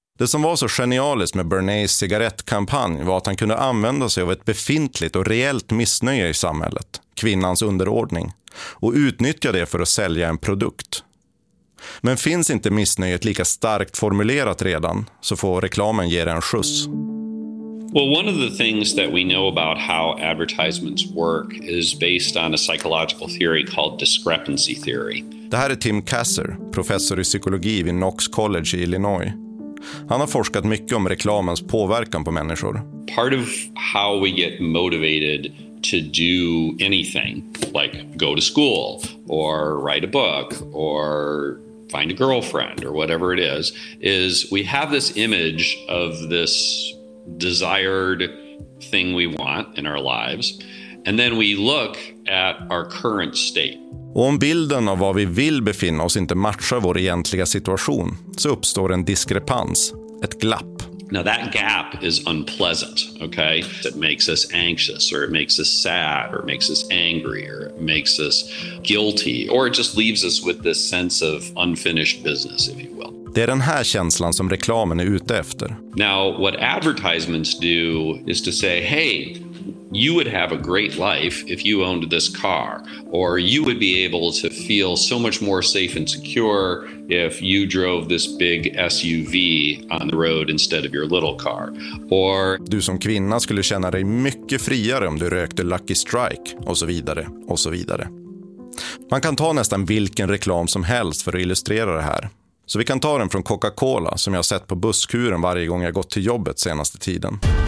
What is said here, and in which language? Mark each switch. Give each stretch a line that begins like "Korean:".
Swedish: Det som var så genialiskt med Bernays cigarettkampanj var att han kunde använda sig av ett befintligt och reellt missnöje i samhället, kvinnans underordning, och utnyttja det för att sälja en produkt. Men finns inte missnöjet lika starkt formulerat redan så får reklamen ge en skjuts.
English: Well, one of the things that we know about how advertisements work is based on a psychological theory called discrepancy theory.
Swedish: Det här är Tim Kasser, professor i psykologi vid Knox College i Illinois. Han har forskat mycket om reklamens påverkan på människor.
English: Part of how we get motivated to do anything, like go to school or write a book or find a girlfriend or whatever it is we have this image of this desired thing we want in our lives, and then we look at our current state.
Swedish: Och om bilden av vad vi vill befinna oss inte matchar vår egentliga situation, så uppstår en diskrepans, ett glapp.
English: Now that gap is unpleasant, okay? It makes us anxious, or it makes us sad, or it makes us angry, or it makes us guilty, or it just leaves us with this sense of unfinished business, if you will.
Swedish: Det är den här känslan som reklamen är ute efter.
English: Now what advertisements do is to say, hey, you would have a great life if you owned this car, or you would be able to feel so much more safe and secure if you drove this big SUV on the road instead of your little car. Or
Swedish: du som kvinna skulle känna dig mycket friare om du rökte Lucky Strike och så vidare och så vidare. Man kan ta nästan vilken reklam som helst för att illustrera det här. Så vi kan ta den från Coca-Cola som jag har sett på busskuren varje gång jag gått till jobbet senaste tiden.